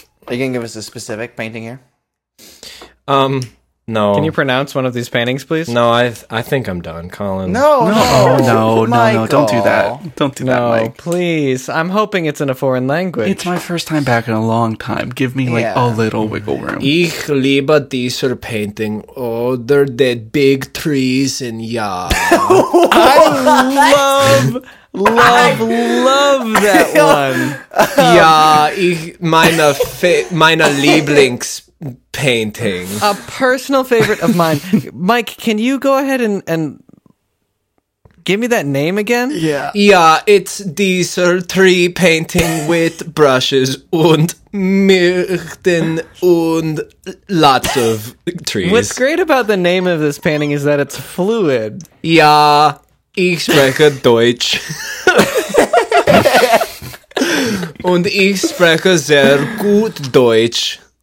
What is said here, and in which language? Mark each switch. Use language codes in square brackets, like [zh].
[en] Are you going to give us a specific painting here? No. Can you pronounce one of these paintings, please? No, I think I'm done, Colin. No, no, no, no, no, don't do that. Don't do that, Mike. No, please. I'm hoping it's in a foreign language. It's my first time back in a long time. Give me, like, a little wiggle room. [de] Ich liebe diese painting. [en] Oh, they're the big trees in Yah. I love that one. [de] Yeah, ich meine Lieblings. [en] Painting. A personal favorite of mine. Mike, can you go ahead and give me that name again? Yeah, it's [de] dieser [en] tree painting with brushes [de] und Myrten und [en] lots of trees. What's great about the name of this painting is that it's fluid. [de] Yeah, ich spreche Deutsch. Und ich spreche sehr gut Deutsch.